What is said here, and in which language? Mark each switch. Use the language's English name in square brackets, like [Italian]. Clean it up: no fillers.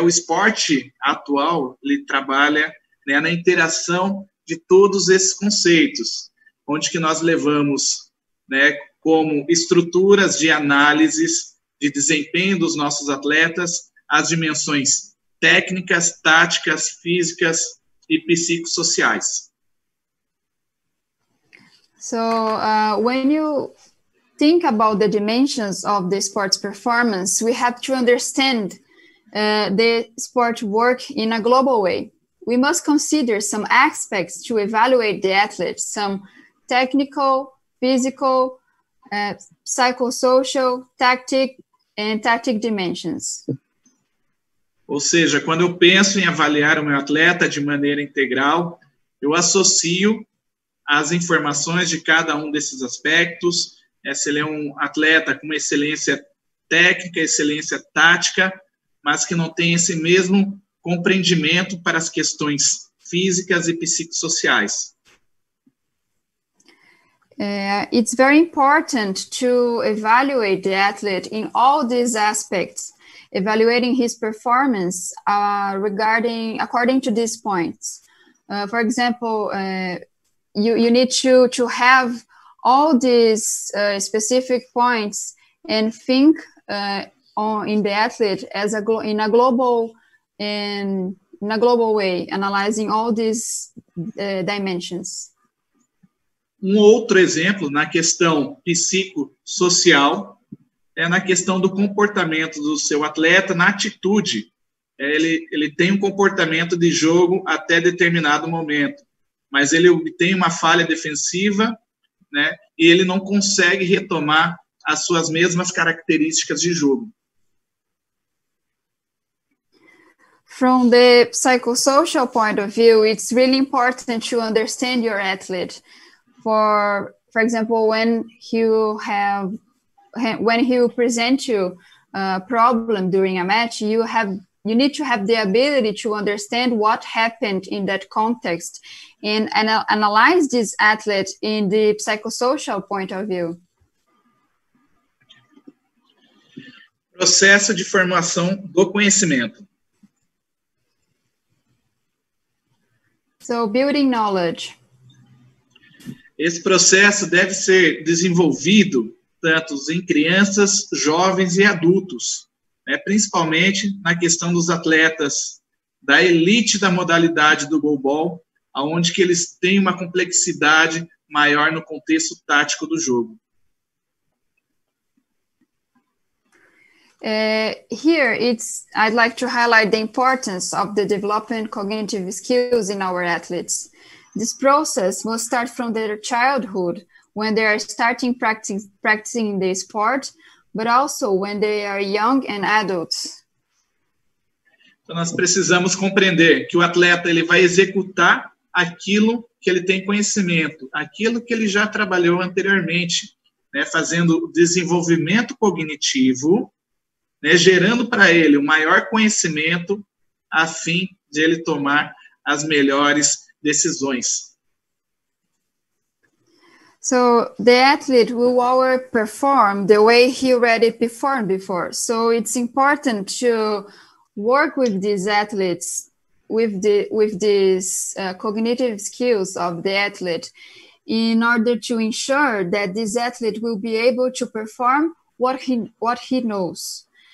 [Portuguese] O esporte atual, ele trabalha, né, na interação de todos esses conceitos, onde que nós levamos, né, como estruturas de análise de desempenho dos nossos atletas, as dimensões técnicas, táticas, físicas e psicossociais. [English] So, when you think about the dimensions of the sports performance, we have to understand the sport work in a global way. We must consider some aspects to evaluate the athletes, some technical, physical, psychosocial, tactic, and tactic dimensions. [Portuguese] Ou seja, quando eu penso em avaliar o meu atleta de maneira integral, eu associo as informações de cada um desses aspectos, se ele é um atleta com excelência técnica, excelência tática, mas que não tem esse mesmo compreendimento para as questões físicas e psicossociais. [English] It's very important to evaluate the athlete in all these aspects. Evaluating his performance according to these points. For example, you need to have all these specific points and think in the athlete as in a global way, analyzing all these dimensions. [Portuguese] Outro exemplo na questão psicossocial é na questão do comportamento do seu atleta, na atitude. Ele tem um comportamento de jogo até determinado momento, mas ele obtém uma falha defensiva, né, e ele não consegue retomar as suas mesmas características de jogo. [English] From the psychosocial point of view, it's really important to understand your athlete. For example, when he will present you a problem during a match, you need to have the ability to understand what happened in that context and analyze this athlete in the psychosocial point of view. [Portuguese] Processo de formação do conhecimento. [English] So, building knowledge. [Portuguese] Esse processo deve ser desenvolvido tanto em crianças, jovens e adultos, né? Principalmente na questão dos atletas da elite da modalidade do goalball, onde que eles têm uma complexidade maior no contexto tático do jogo. [English] Here, I'd like to highlight the importance of the development of cognitive skills in our athletes. This process must start from their childhood, when they are starting practicing the sport, but also when they are young and adults. [Portuguese] Então, nós precisamos compreender que o atleta ele vai executar aquilo que ele tem conhecimento, aquilo que ele já trabalhou anteriormente, né, fazendo desenvolvimento cognitivo, né, gerando para ele o maior conhecimento a fim de ele tomar as melhores decisões. [English] So the athlete will always perform the way he already performed before. So it's important to work with these athletes with these cognitive skills of the athlete in order to ensure that this athlete will be able to perform what he knows.